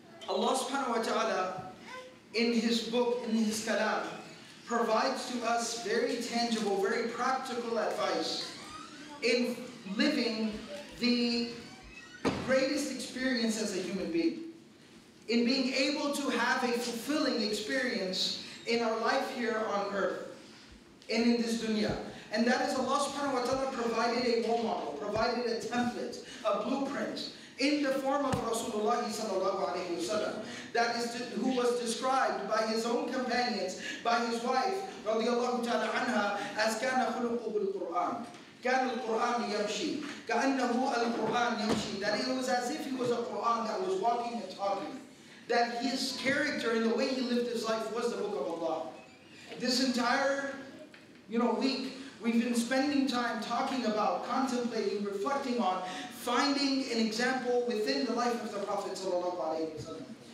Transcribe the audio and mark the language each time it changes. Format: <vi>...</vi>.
<ar>الله سبحانه وتعالى</ar> <en>in his book, in his kalam, provides to us very tangible, very practical advice in living the greatest experience as a human being, in being able to have a fulfilling experience in our life here on earth and in this dunya. And that is Allah subhanahu wa ta'ala provided a role model, provided a template, a blueprint in the form of Rasulullah sallallahu alayhi wa sallam, that is who was described by his own companions, by his wife radiyallahu ta'ala anha, as</en> <ar>kana khuluquhu al-Qur'an. كان القرآن يمشي كأنه القرآن يمشي.</ar> <en>That it was as if he was a Quran that was walking and talking. That his character and the way he lived his life was the Book of Allah. This entire, you know, week we've been spending time talking about, contemplating, reflecting on, finding an example within the life of the Prophet sallallahu alaihi wasallam.</en>